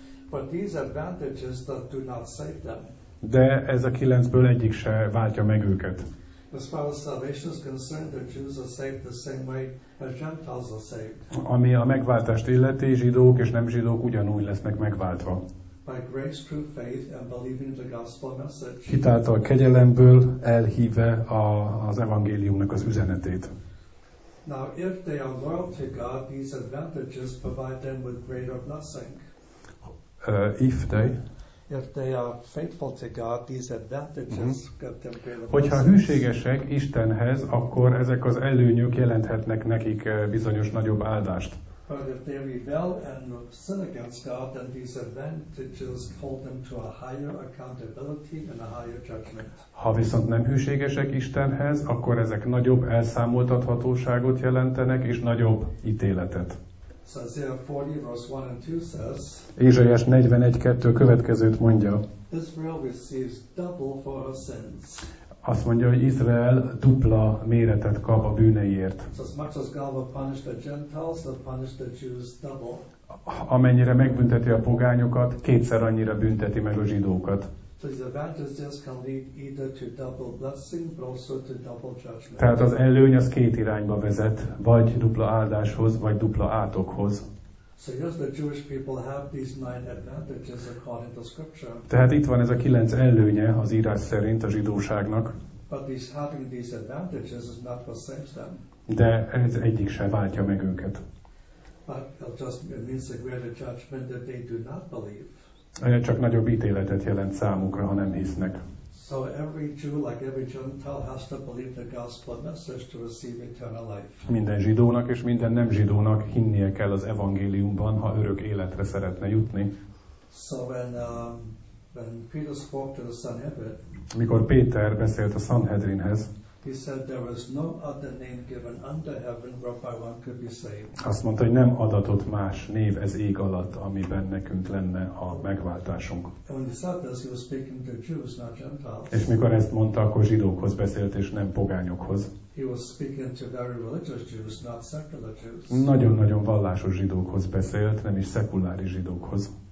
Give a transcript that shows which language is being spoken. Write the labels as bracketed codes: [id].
[en] But these advantages that do not save them. [hu] De ez a 9-ből egyik se váltja meg őket. [en] As far as salvation is concerned, the Jews are saved the same way as Gentiles are saved. [hu] Ami a megváltást illeti, zsidók és nem zsidók ugyanúgy lesznek megváltva. [en] By grace through faith and believing the gospel message. [hu] Hitáltal, kegyelemből elhíve az evangéliumnak az üzenetét. [en] Now, if they are loyal to God, these advantages provide them with greater blessing. If they are faithful to God, these advantages get them greater blessings. [hu] Hogyha hűségesek Istenhez, akkor ezek az előnyök jelenthetnek nekik bizonyos nagyobb áldást. [en] But if they rebel and sin against God, then these advantages hold them to a higher accountability and a higher judgment. [hu] Ha viszont nem hűségesek Istenhez, akkor ezek nagyobb elszámoltathatóságot jelentenek és nagyobb ítéletet. [en] So Isaiah 40, verse 1 and 2 says, [hu] Ézsaiás 41:2 következőt mondja. [en] Israel receives double for her sins. [hu] Azt mondja, hogy Izrael dupla méretet kap a bűneiért. [en] So as much as God will punish the Gentiles, he'll punish the Jews double. [hu] Amennyire megbünteti a pogányokat, kétszer annyira bünteti meg a zsidókat. [en] So his advantages can lead either to double blessing, but also to double judgment. [hu] Tehát az előny az két irányba vezet, vagy dupla áldáshoz, vagy dupla átokhoz. [en] So yes, the Jewish people have these 9 advantages according to scripture. [hu] Tehát itt van ez a 9 előnye az írás szerint a zsidóságnak. [en] But these having these advantages is not what saves them. [hu] De ez egyik sem váltja meg őket. [en] But it just means a greater judgment that they do not believe. [hu] Csak nagyobb ítéletet jelent számukra, ha nem hisznek. [en] So every Jew, like every Gentile, has to believe the gospel message to receive eternal life. [hu] Minden zsidónak és minden nem zsidónak hinnie kell az evangéliumban, ha örök életre szeretne jutni. [en] So when When Peter spoke to the Sanhedrin, [hu] mikor Péter beszélt a Sanhedrinhez, [en] he said there was no other name given under heaven whereby one could be saved. [hu] Azt mondta, hogy nem adatott más név ez ég alatt, amiben nekünk lenne a megváltásunk. [en] And when he said this, he was speaking to Jews, not Gentiles. [hu] És mikor ezt mondta, akkor zsidókhoz beszélt, és nem pogányokhoz. [en] He was speaking to very religious Jews, not secular Jews. [hu] Nagyon-nagyon vallásos zsidókhoz beszélt, nem is szekulári zsidókhoz.